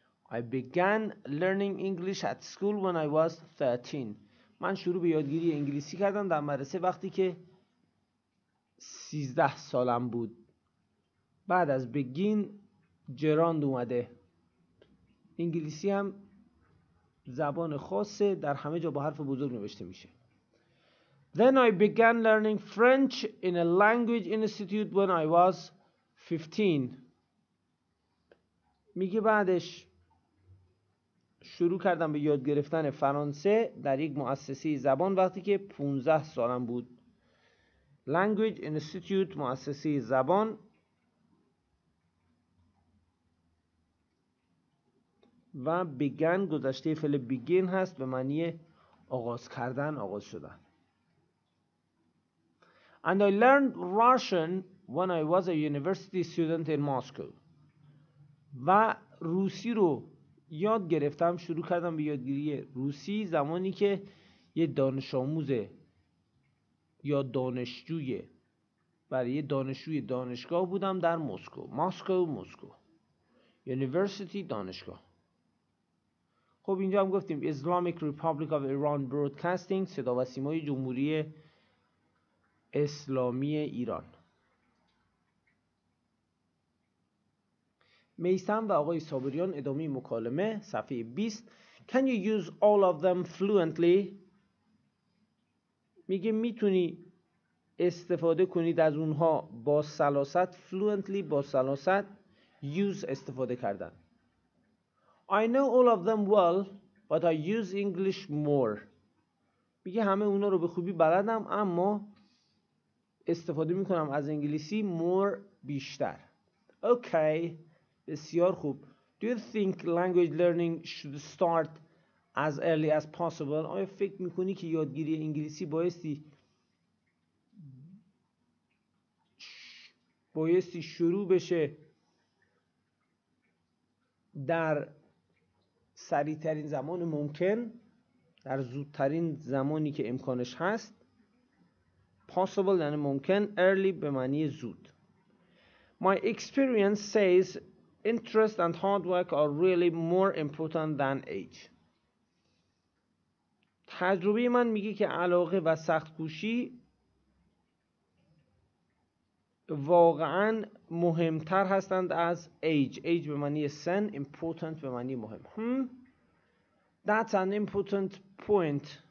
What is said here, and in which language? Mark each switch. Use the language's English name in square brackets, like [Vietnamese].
[English] I began learning English at school when I was 13. [Persian] من شروع به یادگیری انگلیسی کردم در مدرسه وقتی که 13 سالم بود. بعد از begin جراند اومده. انگلیسی هم زبان خاصه، در همه جا با حرف بزرگ نوشته میشه. [English] Then I began learning French in a language institute when I was 15. [Persian] میگه بعدش شروع کردم به یاد گرفتن فرانسه در یک مؤسسه زبان وقتی که 15 سالم بود. [English] Language institute، [Persian] مؤسسه زبان. و began گذشته فعل begin هست، به معنی آغاز کردن، آغاز شدن. [English] And I learned Russian when I was a university student in Moscow. [Persian] و روسی رو یاد گرفتم، شروع کردم به یادگیری روسی زمانی که یه دانش آموز یا دانشجوی برای یه دانشجوی دانشگاه بودم در مسکو. مسکو. University دانشگاه. خب اینجا هم گفتیم Islamic Republic of Iran Broadcasting، صدا و سیمای جمهوری اسلامی ایران. میثم و آقای صابریان ادامه مکالمه صفحه 20. [English] Can you use all of them fluently؟ [Persian] میگه میتونی استفاده کنید از اونها با سلاست. Fluently با سلاست، use استفاده کردن. [English] I know all of them well but I use English more. [Persian] میگه همه اونها رو به خوبی بلدم اما استفاده میکنم از انگلیسی more بیشتر. Okay. بسیار خوب. [English] Do you think language learning should start as early as possible؟ [Persian] آیا فکر میکنی که یادگیری انگلیسی بایستی شروع بشه در سریعترین زمان ممکن، در زودترین زمانی که امکانش هست؟ Possible یعنی ممکن، early به معنی زود. [English] My experience says interest and hard work are really more important than age. [Persian] تجربه من میگه که علاقه و سخت کوشی واقعا مهمتر هستند از age. Age به معنی سن، important به معنی مهم. [English] That's an important point.